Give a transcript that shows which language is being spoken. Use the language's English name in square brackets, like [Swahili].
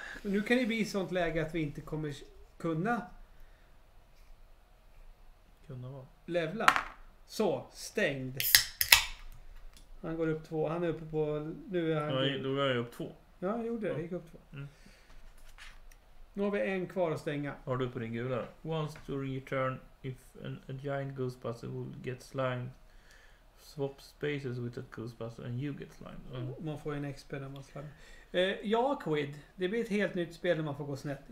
[Swedish] Nu kan det bli sånt läge att vi inte kommer kunna... Kunna vad? Levla. Så, stängd. Han går upp två. Han är uppe på... Nu är han... Ja, då går jag upp två. Ja, jag gjorde det. Jag gick upp två. Mm. Nu har vi en kvar att stänga. Har du på din gula? [English] Once during your turn, if a giant ghostbuster will get slimed, swap spaces with that ghostbuster and you get slimed. Mm. [Swedish] Man får en XP när man slimer. Ja, Quid. Det blir ett helt nytt spel när man får gå snett.